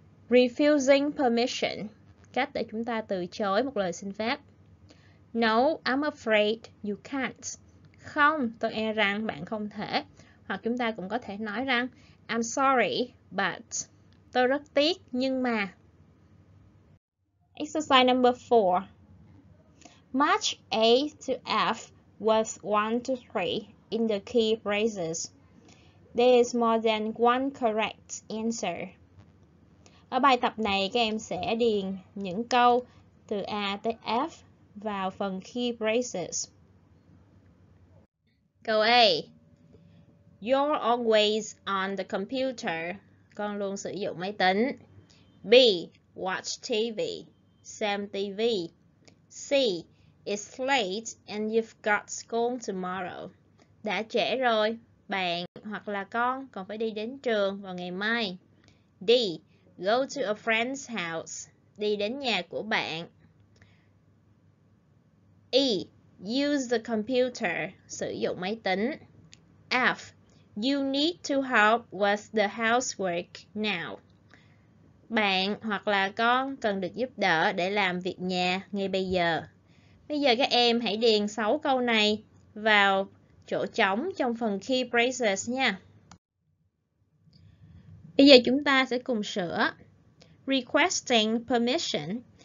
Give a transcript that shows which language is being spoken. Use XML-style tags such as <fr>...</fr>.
<en>Refusing permission.</en> <vi>Cách để chúng ta từ chối một lời xin phép.</vi> <en>No, I'm afraid you can't.</en> <vi>Không, tôi e rằng bạn không thể. Hoặc chúng ta cũng có thể nói rằng</vi> <en>I'm sorry, but</en> <vi>tôi rất tiếc, nhưng mà.</vi> <en>Exercise number 4. Match A to F with 1 to 3 in the key phrases. There is more than one correct answer.</en> <vi>Ở bài tập này, các em sẽ điền những câu từ A tới F vào phần key phrases.</vi> <en>Câu A. You're always on the computer.</en> <vi>Con luôn sử dụng máy tính.</vi> <en>B. Watch TV.</en> <vi>Xem TV.</vi> <en>C. It's late and you've got school tomorrow.</en> <vi>Đã trễ rồi, bạn hoặc là con còn phải đi đến trường vào ngày mai.</vi> <en>D. Go to a friend's house.</en> <vi>Đi đến nhà của bạn.</vi> <en>E. Use the computer.</en> <vi>Sử dụng máy tính.</vi> <en>F. You need to help with the housework now.</en> <vi>Bạn hoặc là con cần được giúp đỡ để làm việc nhà ngay bây giờ. Bây giờ các em hãy điền 6 câu này vào chỗ trống trong phần key phrases nha. Bây giờ chúng ta sẽ cùng sửa.</vi> <en>Requesting permission.</en>